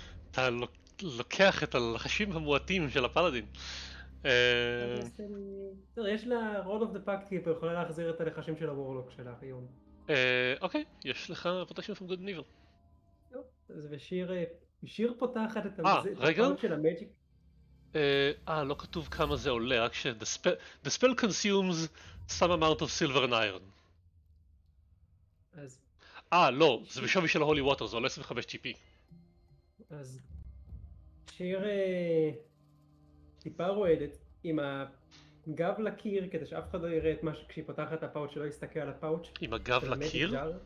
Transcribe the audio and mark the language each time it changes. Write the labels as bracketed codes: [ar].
[he] אתה לוקח את הלחשים המועטים של הפלדין. דסטיני... יש לה רול אוף דה פקט קיפר, יכולה להחזיר את הלחשים של הוורלוק שלה היום. אוקיי, יש לך פרוטקשן פרום גוד אנד איביל. אז בשיר פותחת את המזלת של המג'יק. לא כתוב כמה זה עולה, רק ש- [en] the spell consumes some amount of silver and iron. [he] אז... לא, זה בשווי של הולי ווטר, זה עולה 25 GP. אז שיר טיפה רועדת עם הגב לקיר, כדי שאף אחד לא יראה את מה שכשהיא פותחת את הפאוץ' שלא יסתכל על הפאוץ'. עם הגב לקיר?